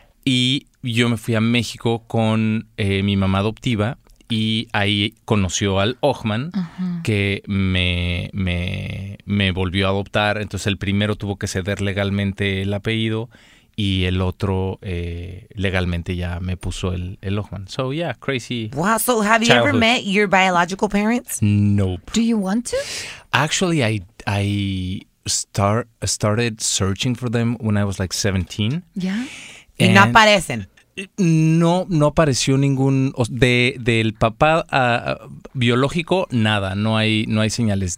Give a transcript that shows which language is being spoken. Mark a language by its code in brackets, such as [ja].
[es] Y yo me fui a México con mi mamá adoptiva y ahí conoció al Ochman, que me volvió a adoptar. Entonces el primero tuvo que ceder legalmente el apellido y el otro legalmente ya me puso el Ochman. [en] So yeah, crazy. Wow, so have you ever met your biological parents? Nope. Do you want to? Actually, I started searching for them when I was like 17. Yeah. [es] And y no aparecen. No apareció ningún del papá biológico, nada, no hay señales.